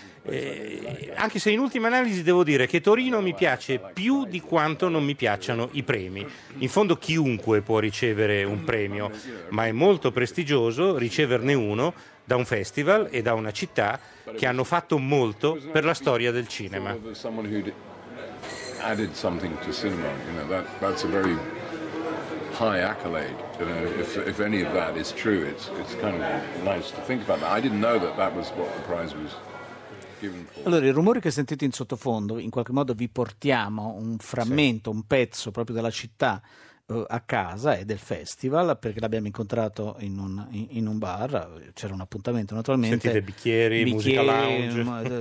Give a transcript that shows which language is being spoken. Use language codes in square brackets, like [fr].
[it] Anche se in ultima analisi devo dire che Torino mi piace più di quanto non mi piacciono i premi. In fondo chiunque può ricevere un premio, ma è molto prestigioso riceverne uno da un festival e da una città che hanno fatto molto per la storia del cinema. [en] Added something to cinema, you know, that's a very high accolade, you know, if any of that is true, it's kind of nice to think about that. I didn't know that that was what the prize was. [it] Allora, i rumori che sentite in sottofondo, in qualche modo vi portiamo un frammento, sì, un pezzo proprio della città a casa e del festival, perché l'abbiamo incontrato in un bar, c'era un appuntamento naturalmente. Sentite bicchieri, musica lounge.